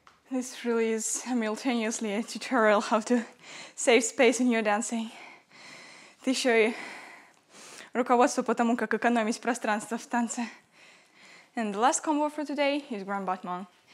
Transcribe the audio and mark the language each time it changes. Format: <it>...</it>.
<en>This really is simultaneously a tutorial how to save space in your dancing.</en> <ru>Ты еще и руководство по тому, как экономить пространство в танце.</ru> <en>And the last combo for today is grand battement.</en>